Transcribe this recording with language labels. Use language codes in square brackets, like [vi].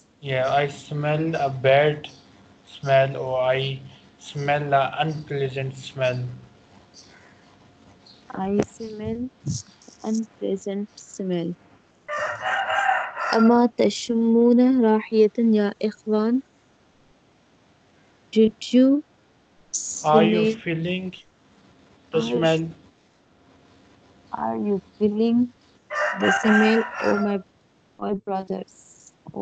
[en] I smell a bad smell, or I smell an unpleasant smell. I smell unpleasant smell. [ar] أَمَا تَشُمُّونَ رَاحِيَةً يَا إِخْوَان؟ [en] Did you smell? Are you feeling the smell? Are you feeling the smell, oh brothers?